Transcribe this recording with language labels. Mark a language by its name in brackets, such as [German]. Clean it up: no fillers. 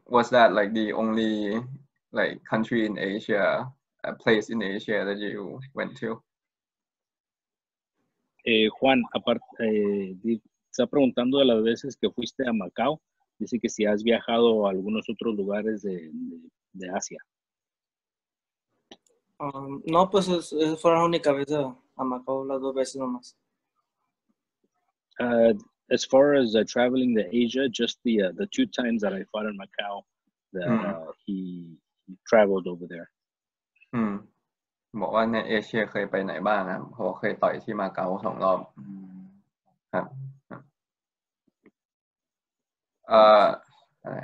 [English] Was that like the only like country in Asia, a place in Asia that you went to? [Spanish] Juan, aparte, está preguntando de las veces que fuiste a Macau. Dice que si has viajado a algunos otros lugares de Asia. No, pues esa fue la única vez a Macau, las dos veces nomás. [English] As far as traveling to Asia, just the two times that I fought in Macau, that he traveled over there. [Thai] บอกว่าในเอเชียเคยไปไหนบ้างนะเพราะเคยต่อยที่มาเก๊าสองรอบครับอะไร